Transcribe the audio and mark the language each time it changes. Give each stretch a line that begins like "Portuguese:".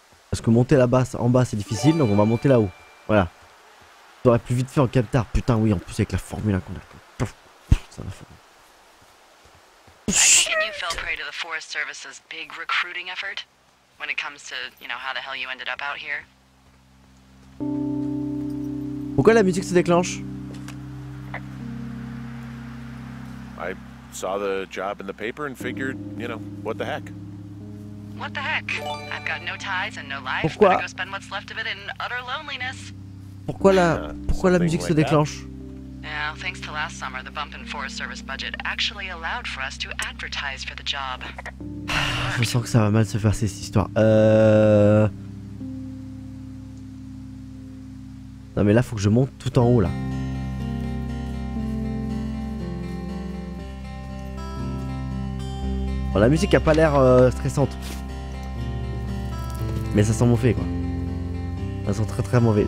French: Parce que monter là-bas, en bas, c'est difficile, donc on va monter là-haut. Voilà. T'aurais plus vite fait en captard. Putain, oui, en plus avec la formule qu'on a. Ça va faire.
English: Forest Service's big recruiting effort when it comes to, you know, how the hell you ended up out here.
French: Pourquoi la musique se déclenche?
English: I saw the job in the paper and figured, you know, what the heck? What the heck? I've got no ties and no life. Pourquoi? Better go spend what's left of it in utter loneliness.
French: Pourquoi la musique like se déclenche?
English: Now, thanks to last summer, the bump in Forest Service budget actually allowed for us to advertise for the job.
French: Je sens que ça va mal se faire cette histoire. Non mais là, faut que je monte tout en haut là. Bon, la musique a pas l'air stressante, mais ça sent mauvais quoi. Ça sent très très mauvais.